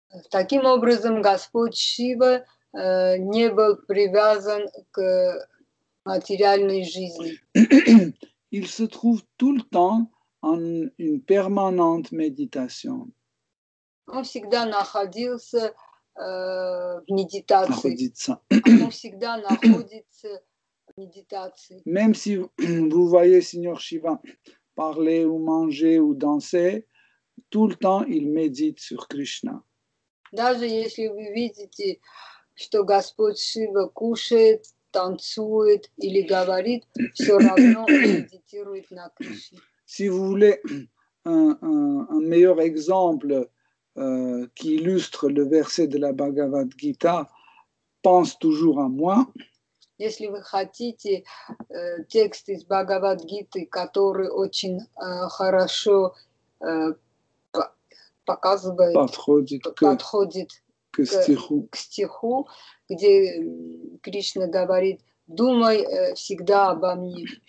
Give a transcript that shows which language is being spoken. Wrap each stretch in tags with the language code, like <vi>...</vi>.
<ru>Таким образом, Господь Шива не был привязан к материальной жизни.</ru> <fr>Il se trouve tout le temps en une permanente méditation.</fr> <ru>Он всегда находился в медитации. Находится. Он всегда находится в медитации.</ru> <fr>Même si vous voyez Seigneur Shiva parler ou manger ou danser, tout le temps il médite sur Krishna.</fr> <ru>Даже если вы видите, что Господь Шива кушает, танцует или говорит, все равно медитирует на Кришне.</ru> <fr>Si vous voulez un meilleur exemple qui illustre le verset de la Bhagavad Gita, pense toujours à moi.</fr> <ru>Если вы хотите текст из Бхагавад Гиты, который очень хорошо показывает, подходит к стиху, где Кришна говорит: «Думай всегда обо мне».</ru>